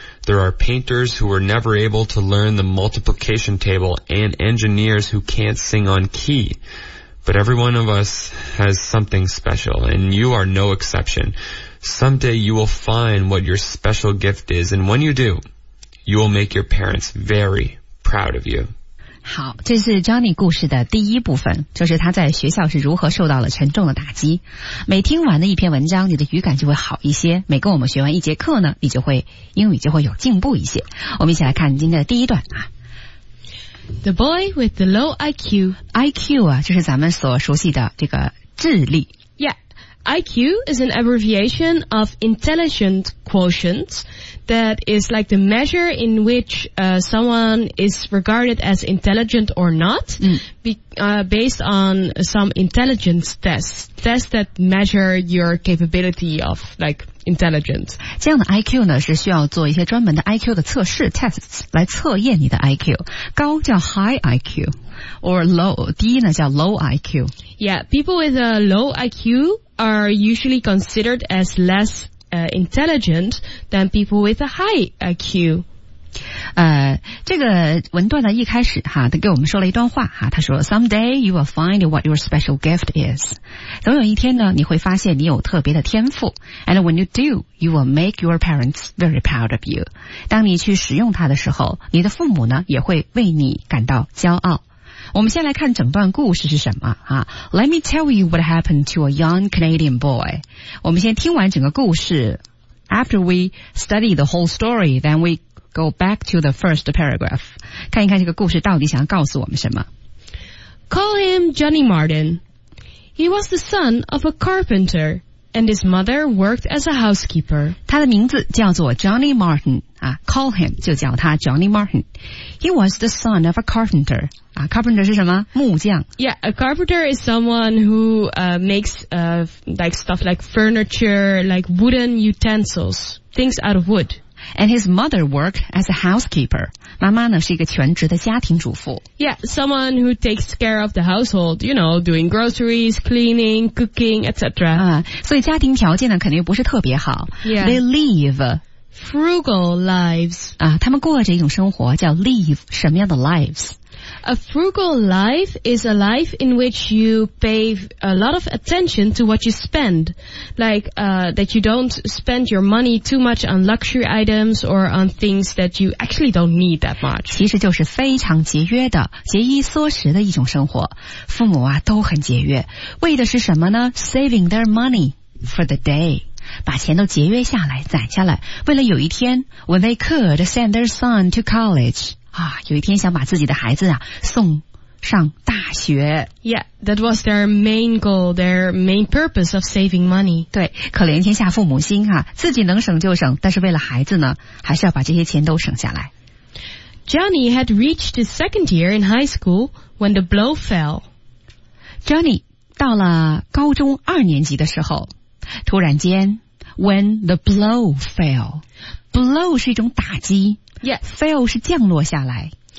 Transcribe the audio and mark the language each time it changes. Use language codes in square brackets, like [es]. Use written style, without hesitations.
[en] There are painters who were never able to learn the multiplication table and engineers who can't sing on key. But every one of us has something special, and you are no exception. Someday you will find what your special gift is, and when you do, you will make your parents very proud of you. [zh] 好，这是 Johnny 故事的第一部分，就是他在学校是如何受到了沉重的打击。每听完的一篇文章，你的语感就会好一些，每跟我们学完一节课呢，你就会英语就会有进步一些。我们一起来看今天的第一段啊。 [en] The boy with the low IQ. [zh] IQ 啊，就是咱们所熟悉的这个智力。 [en] Yeah, IQ is an abbreviation of intelligent quotient that is like the measure in which someone is regarded as intelligent or not, based on some intelligence tests that measure your capability of like intelligence. [zh] 这样的 IQ 呢是需要做一些专门的 IQ 的测试 tests 来测验你的 IQ. 高叫 [en] high IQ, or low, [zh] 低呢叫 low IQ. [en] Yeah, people with a low IQ are usually considered as lessintelligent than people with a high IQ. [zh] 这个文段呢一开始哈他给我们说了一段话哈，他说 [en] Someday you will find what your special gift is. [zh] 总有一天呢你会发现你有特别的天赋。 [en] And when you do, you will make your parents very proud of you. [zh] 当你去使用它的时候，你的父母呢也会为你感到骄傲。我们先来看整段故事是什么啊 [en] ？Let me tell you what happened to a young Canadian boy. [zh] 我们先听完整个故事 [en] ，After we study the whole story, then we go back to the first paragraph. [zh] 看一看这个故事到底想要告诉我们什么。 [en] Call him Johnny Martin. He was the son of a carpenter, and his mother worked as a housekeeper. [zh] 他的名字叫做 Johnny Martin 啊 ， [en] Call him [zh] 就叫他 Johnny Martin. [en] He was the son of a carpenter. Carpenter [zh] 是什么？木匠。 [en] Yeah, a carpenter is someone who makes like stuff like furniture, like wooden utensils, things out of wood. And his mother worked as a housekeeper. [zh] 妈妈呢是一个全职的家庭主妇。 [en] Yeah, someone who takes care of the household, you know, doing groceries, cleaning, cooking, etc. [zh] 所以家庭条件呢肯定不是特别好。 Yeah. [en] They live frugal lives. [zh] 他们过着一种生活叫 live 什么样的 lives? [en] A frugal life is a life in which you pay a lot of attention to what you spend. Like, that you don't spend your money too much on luxury items or on things that you actually don't need that much. [zh] 其实就是非常节约的、节衣缩食的一种生活。父母啊，都很节约，为的是什么呢？ [en] Saving their money for the day. [zh] 把钱都节约下来攒下来，为了有一天 [en] when they could send their son to college [zh] 啊，有一天想把自己的孩子啊送上大学。 [en] Yeah, that was their main goal, their main purpose of saving money. [zh] 对，可怜天下父母心啊，自己能省就省，但是为了孩子呢，还是要把这些钱都省下来。 [en] Johnny had reached his second year in high school when the blow fell. [zh] Johnny 到了高中二年级的时候，突然间 [en] when the blow fell. [zh] Blow 是一种打击。 Yeah. Fell 是降落下来。